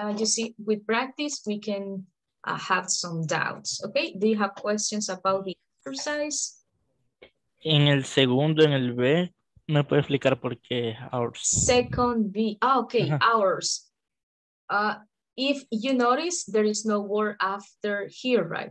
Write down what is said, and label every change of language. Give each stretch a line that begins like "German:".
English: You see, with practice, we can have some doubts. Okay, do you have questions about the exercise?
Spanish: En el segundo, en el B, ¿me puede explicar por qué ours?
English: Second B. Oh, okay, ours. If you notice, there is no word after here, right?